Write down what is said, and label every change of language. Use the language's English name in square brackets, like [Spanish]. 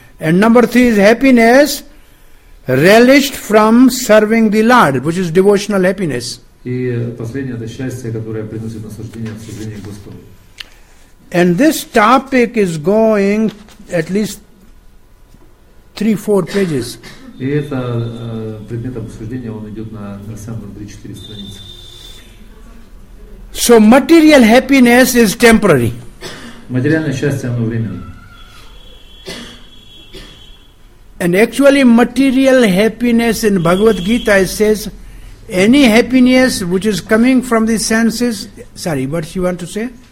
[English] And number three is happiness relished from serving the Lord, which is devotional happiness. And this topic is going at least 3-4 pages. [Russian] И это предмет обсуждения, он идет на самом 3-4 страницы. [English] So material happiness is temporary. [Russian] Материальное счастье, оно временное. [English] And actually material happiness in Bhagavad Gita, it says, any happiness which is coming from the senses, sorry, what you want to say?